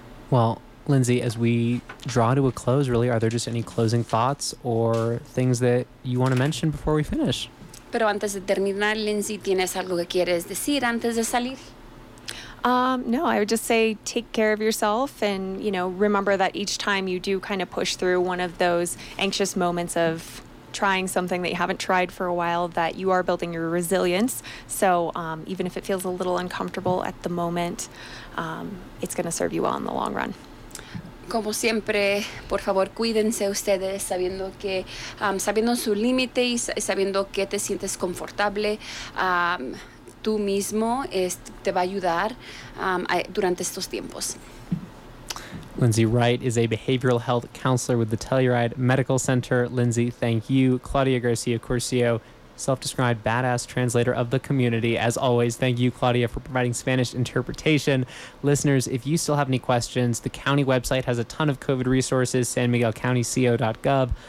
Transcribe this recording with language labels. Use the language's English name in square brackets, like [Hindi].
[English] Well, Lindsay, as we draw to a close, really, are there just any closing thoughts or things that you want to mention before we finish? [Spanish] Pero antes de terminar, Lindsay, ¿tienes algo que quieres decir antes de salir? [English] No, I would just say take care of yourself and, you know, remember that each time you do kind of push through one of those anxious moments of trying something that you haven't tried for a while, that you are building your resilience. So even if it feels a little uncomfortable at the moment, it's going to serve you well in the long run. [Spanish] Como siempre, por favor, cuídense ustedes, sabiendo que, sabiendo su límite y sabiendo que te sientes confortable, tú mismo te va a ayudar durante estos tiempos. [English] Lindsay Wright is a behavioral health counselor with the Telluride Medical Center. Lindsay, thank you. Claudia Garcia Curcio, self-described badass translator of the community. As always, thank you, Claudia, for providing Spanish interpretation. Listeners, if you still have any questions, the county website has a ton of COVID resources, sanmiguelcountyco.gov.